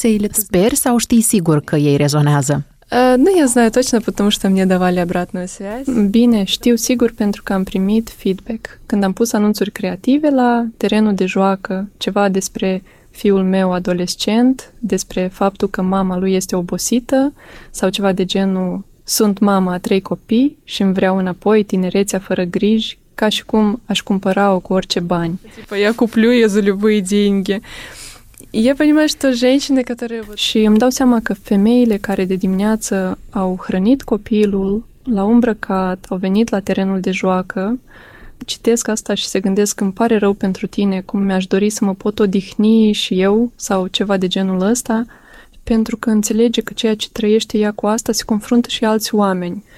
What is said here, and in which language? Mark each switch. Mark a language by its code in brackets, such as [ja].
[ro] Sper sau știi sigur că ei rezonează? Nu, [ru] я знаю точно, потому что мне давали обратную связь. [ro] Bine, știu sigur pentru că am primit feedback. Când am pus anunțuri creative la terenul de joacă, ceva despre fiul meu adolescent, despre faptul că mama lui este obosită sau ceva de genul sunt mama a trei copii și îmi vreau înapoi tinerețea fără griji, ca și cum aș cumpăra-o cu orice bani. [ru] Я куплю ее за любые деньги. Я понимаю, что женщины, которые... [ro] Și îmi dau seama că femeile care de dimineață au hrănit copilul, l-au îmbrăcat, au venit la terenul de joacă, citesc asta și se gândesc, îmi pare rău pentru tine, cum mi-aș dori să mă pot odihni și eu, sau ceva de genul ăsta, pentru că înțelege că ceea ce trăiește ea cu asta se confruntă și alți oameni.